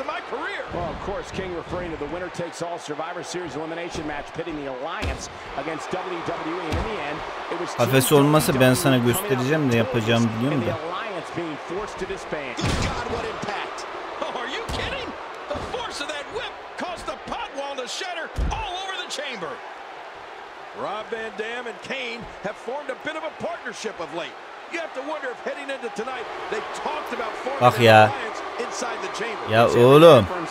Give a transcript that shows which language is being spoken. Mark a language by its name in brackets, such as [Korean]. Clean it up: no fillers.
[English] Well, of course, King referring to the winner takes all Survivor Series elimination match pitting the Alliance against WWE in the end. [Turkish] Kafes olmasa ben sana göstereceğim de yapacağım, biliyor musun? [English] Alliance being forced to disband. God, what impact. Are you kidding? The force of that whip caused the pot wall to shatter all over the chamber. Rob Van Dam and Kane have formed a bit of a partnership of late. You have to wonder if heading into tonight they talked about forming an alliance inside the chamber. [Turkish] Ya oğlum.